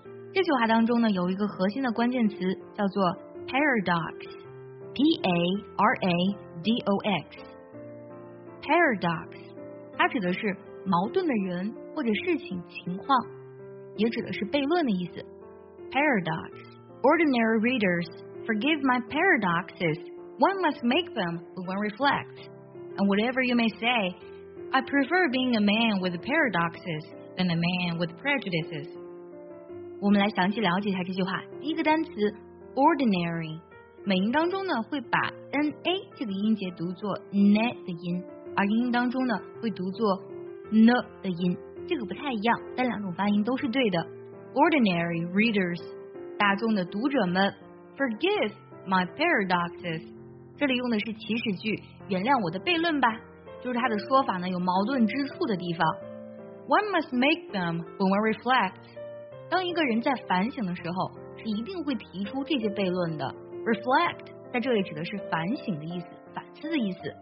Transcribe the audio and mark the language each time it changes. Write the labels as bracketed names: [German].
[Chinese] 这句话当中呢有一个核心的关键词叫做 paradox，P-A-R-A-D-O-X。 paradox， 它指的是矛盾的人或者事情情况，也指的是悖论的意思。 [English] paradox， ordinary readers forgive my paradoxes。 One must make them when one reflects. And whatever you may say, I prefer being a man with paradoxes than a man with prejudices. [Chinese] 我们来详细了解一下这句话。第一个单词 ordinary， 美音当中呢会把 na 这个音节读作 ne 的音，而英音当中呢会读作 n 的音，这个不太一样，但两种发音都是对的。 [English] Ordinary readers， [Chinese] 大众的读者们 [English] ，forgive my paradoxes。 [Chinese] 这里用的是祈使句，原谅我的悖论吧，就是他的说法呢有矛盾之处的地方。 [English] One must make them when one reflects， [Chinese] 当一个人在反省的时候是一定会提出这些悖论的。 reflect 在这里指的是反省的意思，反思的意思。